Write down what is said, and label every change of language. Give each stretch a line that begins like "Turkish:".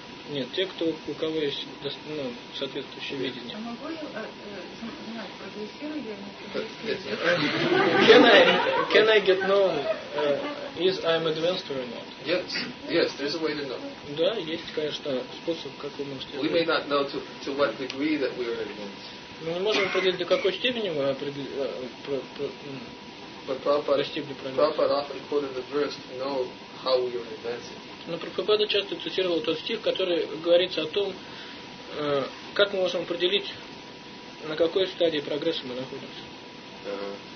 Russian: Нет, те, кто, у кого есть соответствующее видение. А могу ли знать, прогрессирую я или не прогрессирую?
English: Can I get known is I'm advanced or not? Yes, yes, there's a way to know.
Russian: Да, есть, конечно, способ, как вы можете...
English: We may not know to what degree that we are advanced.
Russian: Мы не можем определить, до какой степени мы достигли прогресса.
English: But Prabhupada often quoted the verse to know how we are advancing.
Russian: Но Прабхупада часто цитировал тот стих, который говорится о том, как мы можем определить, на какой стадии прогресса мы находимся.